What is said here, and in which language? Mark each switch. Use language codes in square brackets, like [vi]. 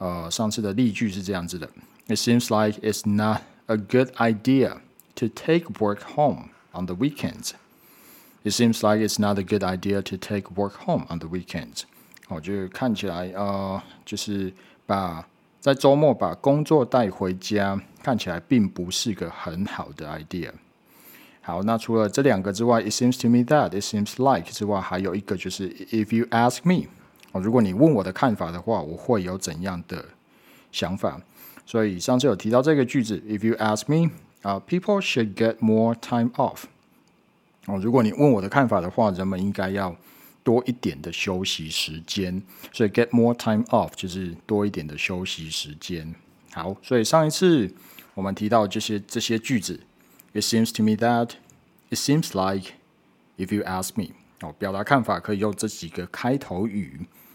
[zh] 上次的例句是这样子的 [en] It seems like it's not a good idea to take work home on the weekends. It seems like it's not a good idea to take work home on the weekends. [zh] 就看起来就是把在周末把工作带回家，看起来并不是个很好的 idea。好，那除了这两个之外 ， [en] it seems to me that it seems like [zh] 之外，还有一个就是 [en] if you ask me， [zh] 如果你问我的看法的话，我会有怎样的想法？所以上次有提到这个句子 [en] ，if you ask me， people should get more time off。 [zh] 如果你问我的看法的话，人们应该要多一点的休息时间，所以 get more time off 就是多一点的休息时间。好，所以上一次我们提到这些句子 ， [en] It seems to me that, it seems like, if you ask me， [zh] 表达看法可以用这几个开头语。